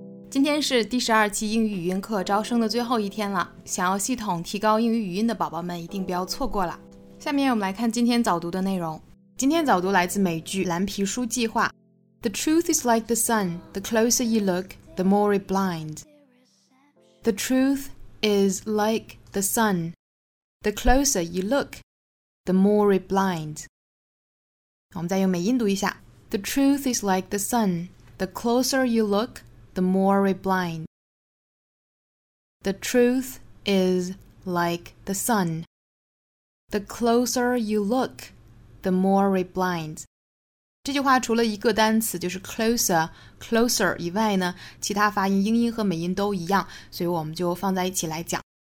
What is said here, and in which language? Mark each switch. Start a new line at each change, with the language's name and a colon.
Chinese: 今天是第十二期英语语音课招生的最后一天了，想要系统提高英语语音的宝宝们一定不要错过了。下面我们来看今天早读的内容。今天早读来自美剧《蓝皮书计划》。
English: The truth is like the sun, the closer you look, the more it blinds. The truth is like the sun, the closer you look, the more it blinds.
Chinese: 我们再用美音读一下。
English: The truth is like the sun, the closer you look,The more it blinds. The truth is like the sun. The closer you look, the more it blinds.
Chinese: 这句话除了一个单词就是 closer 以外呢，其他发音英音和美音都一样，所以我们就放在一起来讲。